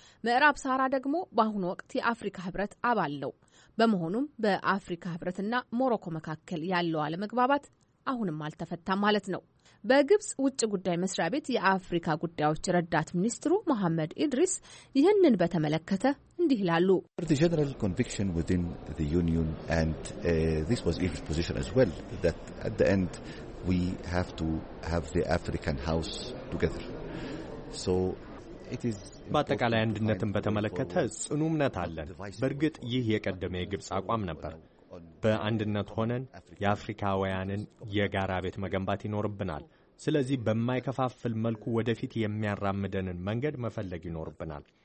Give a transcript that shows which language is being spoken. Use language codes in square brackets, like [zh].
[am] ምዕራብ ሳራ ደግሞ በአሁን ወቅት የአፍሪካ ህብረት አባል ነው። በመሆኑም በአፍሪካ ህብረትና ሞሮኮ መካከል ያለው አለመግባባት አሁንም አልተፈታም ማለት ነው። በግብጽ ውጭ ጉዳይ መስሪያ ቤት የአፍሪካ ጉዳዮች ረዳት ሚኒስትሩ መሐመድ ኢድሪስ ይህንን በተመለከተ እንዲህ ይላሉ። [en] The general conviction within the union and this was Egypt's position as well that at the end we have to have the African house together. So it is [am] በአጠቃላይ አንድነትን በተመለከተ ጽኑ እምነት አለን። በእርግጥ ይህ የቀደመ የግብጽ አቋም ነበር። በአንድነት ሆነን የአፍሪካውያንን የጋራ ቤት መገንባት ይኖርብናል። ስለዚህ በማይከፋፍል መልኩ ወደፊት የሚያራምደንን መንገድ መፈለግ ይኖርብናል።